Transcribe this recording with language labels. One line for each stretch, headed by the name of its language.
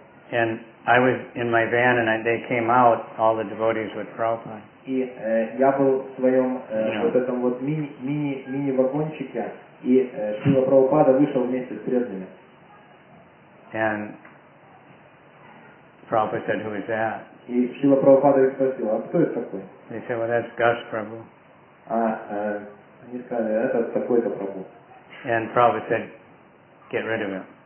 English: And I was in my van and they came out, all the devotees with Prabhupada.
Russian: И я был в своем вот этом вот мини вагончике, и Шрила Прабхупада вышел вместе с преданными.
English: And Prabhupada said, "Who is that?"
Russian: И Шрила Прабхупада их спросил, а кто это такой?
English: They said, "Well, that's Gosh Prabhu."
Russian: А они сказали, это такой-то Прабху.
English: And Prabhupada said, "Get rid of him."